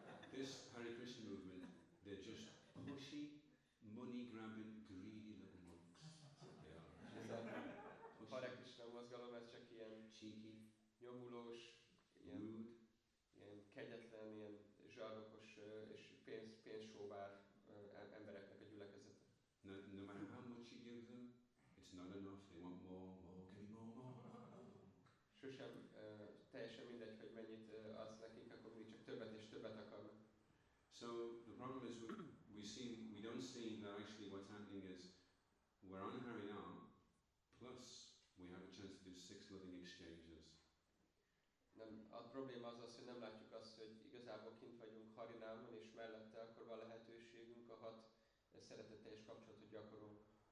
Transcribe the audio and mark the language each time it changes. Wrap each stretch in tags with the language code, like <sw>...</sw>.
<en>This Hare Krishna movement, they're just pushy, money-grabbing, greedy little monks.</en> <hu>Ez a Hare Krishna mozgalom, ez csak ilyen</hu> <en>cheeky,</en> <hu>nyomulós, ilyen,</hu> <en>rude,</en> <hu>ilyen kegyetlen, ilyen zsarnokos és pénzsóvár embereknek a gyülekezete.</hu> <en>No matter how much you give them, it's not enough, they want more, give me more.</en> <hu>Sosem teljesen mindegy, hogy mennyit adsz nekik, akkor mindig csak többet és többet akarnak.</hu> <en>So the problem is we don't see that actually what's happening is we're on Harinam, plus we have a chance to do 6 loving exchanges.</en> <hu>Nem, a probléma az, hogy nem látjuk azt, hogy igazából kint vagyunk Harinámon, és mellette akkor van lehetőségünk a 6 szeretetteljes kapcsolatot gyakorolunk.</hu>